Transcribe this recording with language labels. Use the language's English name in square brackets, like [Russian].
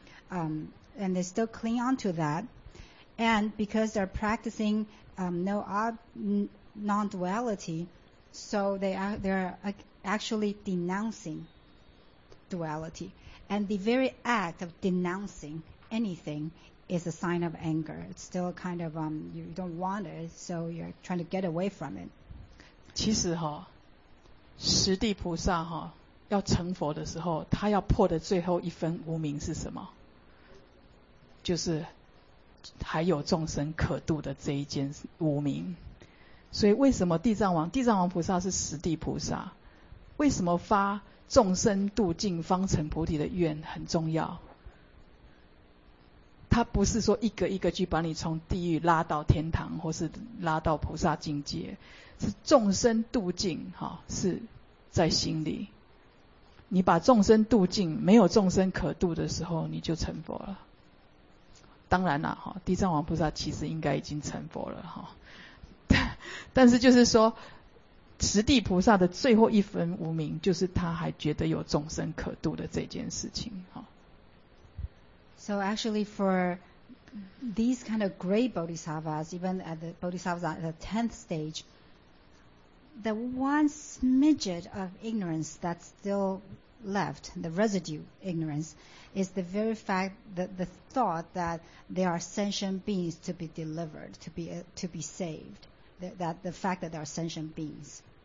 [English] And they still cling on to that. And because they're practicing non-duality, so they're actually denouncing duality. And the very act of denouncing anything is a sign of anger. It's still kind of, you don't want it, so you're trying to get away from it. [Chinese] 其实哈，十地菩萨哈，要成佛的时候，他要破的最后一分无明是什么？就是还有众生可度的这一件无明。所以为什么地藏王菩萨是十地菩萨，为什么发众生度尽方成菩提的愿很重要？他不是说一个一个去把你从地狱拉到天堂或是拉到菩萨境界，是众生度尽，是在心里。你把众生度尽，没有众生可度的时候，你就成佛了。当然啦，哈，地藏王菩萨其实应该已经成佛了，哈。但是就是说，十地菩萨的最后一分无明，就是他还觉得有众生可度的这件事情，哈。 [English] So actually, for these kind of great bodhisattvas, even at the bodhisattvas at the 10th stage, the one smidget of ignorance that's still left, the residue ignorance, is the very fact that the thought that they are sentient beings to be delivered, to be saved, that the fact that they are sentient beings.